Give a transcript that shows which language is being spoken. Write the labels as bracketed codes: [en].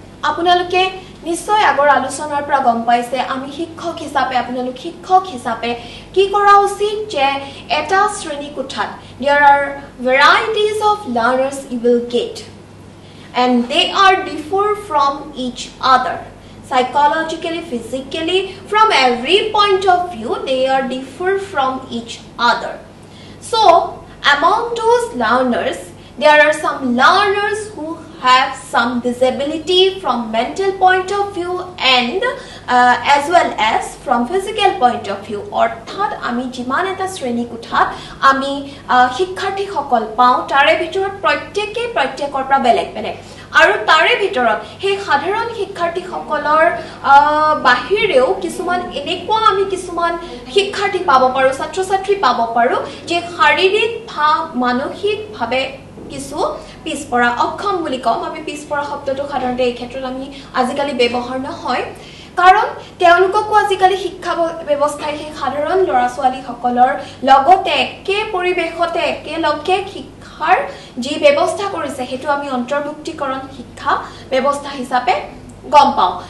[as] আপোনালোকে নিশ্চয় আগৰ আলোচনাৰ পৰা গম পাইছে আমি শিক্ষক হিচাপে, আপোনালোক শিক্ষক হিচাপে কি কৰা উচিত, যে এটা শ্ৰেণীকোঠাত [en] There are varieties of learners you will get and they are differ from each other psychologically, physically, from every point of view, they are different from each other. So, among those learners, there are some learners who have some disability from mental point of view and as well as from physical point of view. [as] অৰ্থাৎ আমি যিমান এটা শ্ৰেণী কোঠাত আমি শিক্ষাৰ্থীসকল পাওঁ তাৰে ভিতৰত প্ৰত্যেকেই প্ৰত্যেকৰ পৰা বেলেগ বেলেগ, আৰু তাৰে ভিতৰত সেই সাধাৰণ শিক্ষাৰ্থীসকলৰ বাহিৰেও কিছুমান এনেকুৱা আমি কিছুমান শিক্ষাৰ্থী পাব পাৰোঁ, ছাত্ৰ ছাত্ৰী পাব পাৰোঁ যে শাৰীৰিক বা মানসিকভাৱে কিছু পিছপৰা, অক্ষম বুলি কম, আমি পিছপৰা শব্দটো সাধাৰণতে এই ক্ষেত্ৰত আমি আজিকালি ব্যৱহাৰ নহয় কাৰণ তেওঁলোককো আজিকালি শিক্ষা ব্যৱস্থাই সেই সাধাৰণ ল'ৰা ছোৱালীসকলৰ লগতে একে পৰিৱেশতে একেলগে শিক্ষাৰ যি ব্যৱস্থা কৰিছে সেইটো আমি অন্তৰ্ভুক্তিকৰণ শিক্ষা ব্যৱস্থা হিচাপে গম পাওঁ।